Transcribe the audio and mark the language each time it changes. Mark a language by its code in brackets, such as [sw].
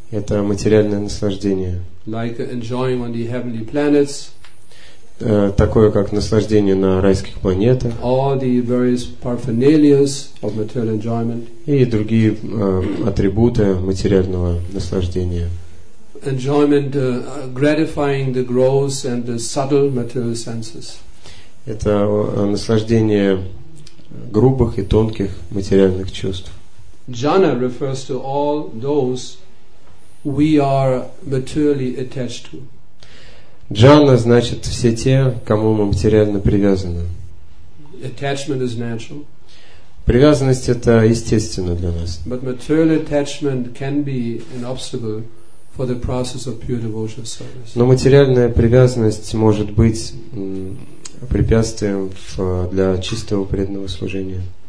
[ru] Это материальное наслаждение. [en] Like enjoying on the heavenly planets. [ru] Такое как наслаждение на райских планетах. [en] All the various paraphernalias of material enjoyment. [ru] И другие атрибуты материального наслаждения. [en] Enjoyment gratifying the gross and the subtle material senses. [ru] Это наслаждение грубых и тонких материальных чувств. [en] Jhana refers to all those we are materially attached to. [ru] Jhana значит все те, кому мы материально привязаны. [en] Attachment is natural. [ru] Привязанность это естественно для нас. [en] But material attachment can be an obstacle for the process of pure devotional service. [ru] Но материальная привязанность может быть препятствием для чистого преданного служения.